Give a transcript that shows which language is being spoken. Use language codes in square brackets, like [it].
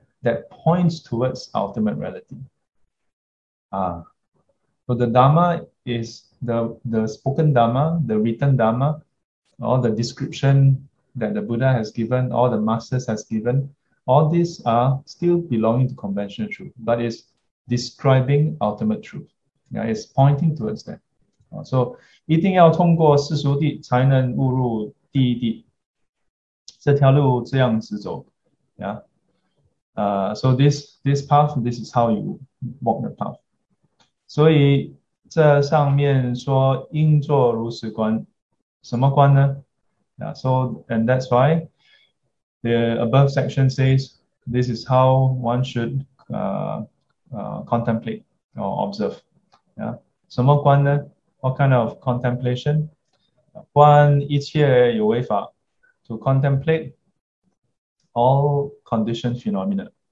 [en] That points towards ultimate reality. So the Dharma is the spoken Dharma, the written Dharma, all the description that the Buddha has given, all the masters has given, all these are still belonging to conventional truth, but it's describing ultimate truth. Yeah, it's pointing towards that. So [zh] 一定要通过世俗地才能误入第一地. 这条路这样子走, [en] yeah. So this path, this is how you walk the path. [zh] 所以这上面说应作如是观，什么观呢？ [en] And that's why the above section says this is how one should contemplate or observe. Yeah, [zh] 什么观呢？ [en] What kind of contemplation？ [zh] 观一切有为法， [en] to contemplate all conditioned phenomena.